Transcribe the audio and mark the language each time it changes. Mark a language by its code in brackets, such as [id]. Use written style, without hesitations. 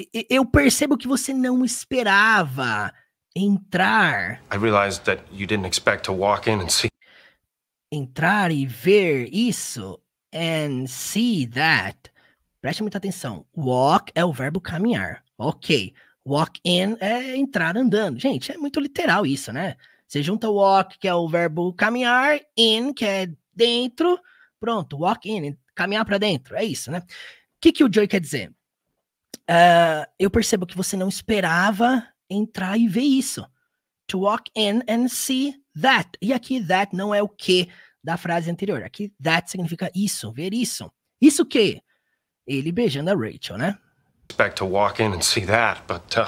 [pt] Eu percebo que você não esperava entrar. [en] I realized that you didn't expect to walk in and see. [pt] Entrar e ver isso. [en] And see that. [pt] Preste muita atenção. Walk é o verbo caminhar. Ok. Walk in é entrar andando. Gente, é muito literal isso, né? Você junta walk, que é o verbo caminhar, in, que é dentro. Pronto, walk in. Caminhar pra dentro, é isso, né? O que o Joey quer dizer? Eu percebo que você não esperava entrar e ver isso. [en] To walk in and see that. [pt] E aqui, that não é o que da frase anterior. Aqui, that significa isso, ver isso. Isso o quê? Ele beijando a Rachel, né? [en] Expect to walk in and see that, but...